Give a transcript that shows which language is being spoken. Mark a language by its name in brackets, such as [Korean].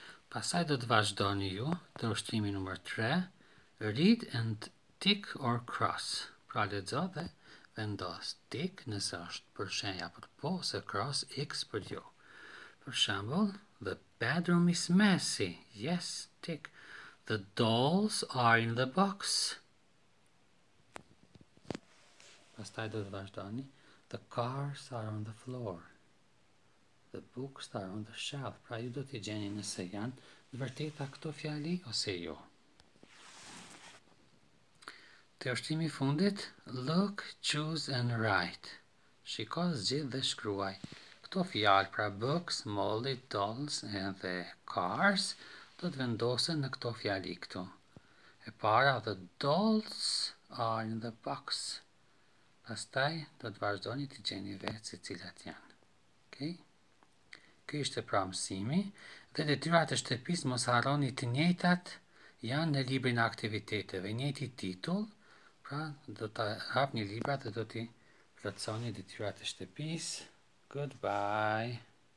[Albanian] Pasaj do të vazhdoni ju të ushtrimi numër 3. [English] Read and tick or cross. [Albanian] Pra lexo dhe vendos tick nëse është për shenja për po, ose cross x për jo. Për shembull, [English] the bedroom is messy. Yes, tick. The dolls are in the box. [Albanian] Pastaj do të vazhdoni. [English] The cars are on the floor. The books are on the shelf. [Albanian] Pra ju do t'i gjeni nëse janë vërteta këto fjali ose jo. Të ushtrimi fundit. [English] Look, choose and write. [Albanian] Shiko zgjidh dhe shkruaj. Këto fjali, pra [English] books, molly, dolls and the cars, [Albanian] do të vendosen në këto fjali këto. E para, [English] the dolls are in the box. [Albanian] Pastaj, do të vazhdoni të gjeni vetë se cilat janë. Okay? Ky ishte pra mësimi, dhe detyrat e shtëpis mos harroni të njëjtat janë në librin e aktiviteteve. Njëti titull, pra do të hapni librat dhe do të plotësoni detyrat e shtëpis. Goodbye!